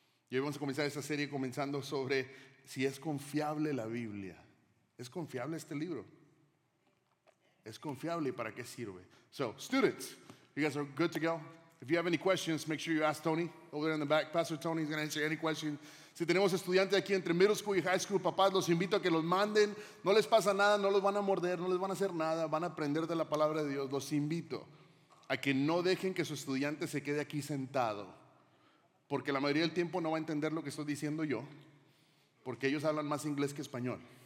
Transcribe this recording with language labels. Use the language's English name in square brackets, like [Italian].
[Spanish] Y hoy vamos a comenzar esta serie comenzando sobre si es confiable la Biblia. ¿Es confiable este libro? ¿Es confiable y para qué sirve? [English] So, students, you guys are good to go. If you have any questions, make sure you ask Tony over there in the back. Pastor Tony is going to answer any questions. [Spanish] Si tenemos estudiantes aquí entre middle school y high school, papás, los invito a que los manden. No les pasa nada, no los van a morder, no les van a hacer nada. Van a aprender de la palabra de Dios. Los invito a que no dejen que su estudiante se quede aquí sentado. Porque la mayoría del tiempo no va a entender lo que estoy diciendo yo. Porque ellos hablan más inglés que español.